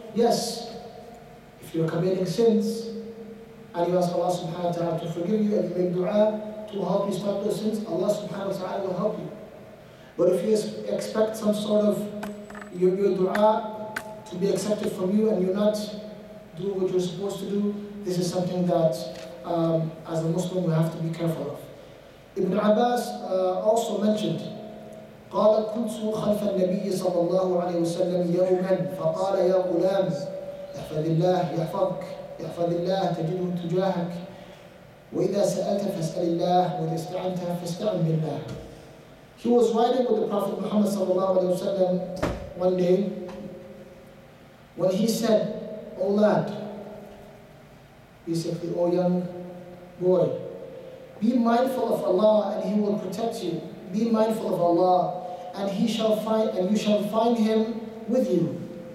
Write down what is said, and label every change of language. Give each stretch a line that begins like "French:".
English: Yes, if you're committing sins and you ask Allah subhanahu wa ta'ala to forgive you and you make du'a to help you stop those sins, Allah subhanahu wa ta'ala will help you. But if you expect some sort of your du'a to be accepted from you and you're not doing what you're supposed to do, this is something that as a Muslim we have to be careful of. Ibn Abbas also mentioned,
Arabic: قَالَ كُنْتُ خَلْفَ النَّبِيِّ صَلَى اللَّهُ عَلَيْهُ وَسَلَّمْ يَوْمًا فَقَالَ يَا غُلَامْ يَحْفَدِ اللَّهِ يَحْفَظْكَ يَحْفَدِ اللَّهِ تَجِدُهُ تُجَاهَكَ وَإِذَا سَأَلْتَ فَاسْأَلِ اللَّهِ وَإِذَا اسْتَعَنْتَ فَاسْتَعِنْ بِاللَّهِ.
English: He was riding with the Prophet Muhammad sallallahu alayhi wa sallam one day when he said, O lad, basically, O young boy, be mindful of Allah and He will protect you. Be mindful of Allah and you shall find Him with you.